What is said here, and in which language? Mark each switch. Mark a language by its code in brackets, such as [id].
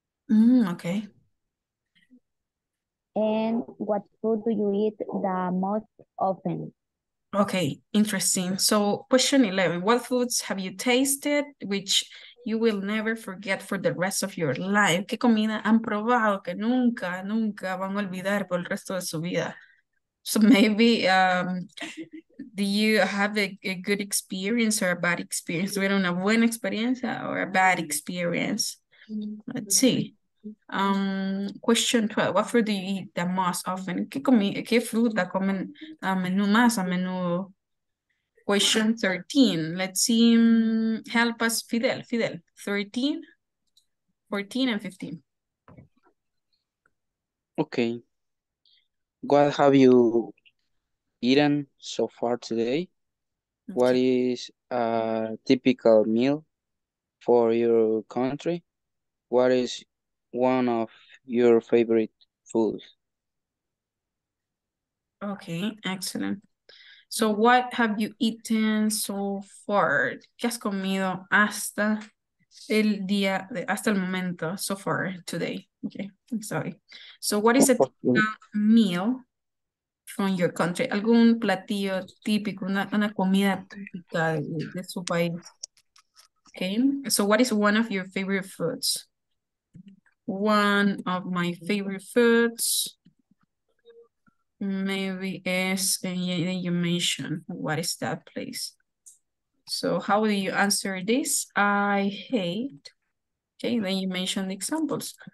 [en] Okay. And what food do you eat the most often? Okay, interesting. So question 11, what foods have you tasted which you will never forget for the rest of your life? [es] ¿Qué comida han probado que nunca, nunca van a olvidar por el resto de su vida? [en] So maybe, do you have a good experience or a bad experience? [es] ¿Tuvieron una buena experiencia [en] or a bad experience? Let's see. Question 12, what food do you eat the most often? [es] ¿Qué fruta comen más a menudo? [en] Question 13, let's see, help us, Fidel, 13, 14, and 15. Okay. What have you eaten so far today? Okay. What is a typical meal for your country? What is one of your favorite foods? Okay, excellent. So what have you eaten so far? [es] ¿Qué has comido hasta el día, hasta el momento, [en] so far, today? Okay, I'm sorry. So what is a typical meal from your country? [es] ¿Algún platillo típico, una comida típica de su país? [en] Okay, so what is one of your favorite foods? One of my favorite foods maybe is, and you mentioned, what is that place? So how do you answer this? I hate, okay, then you mentioned the examples.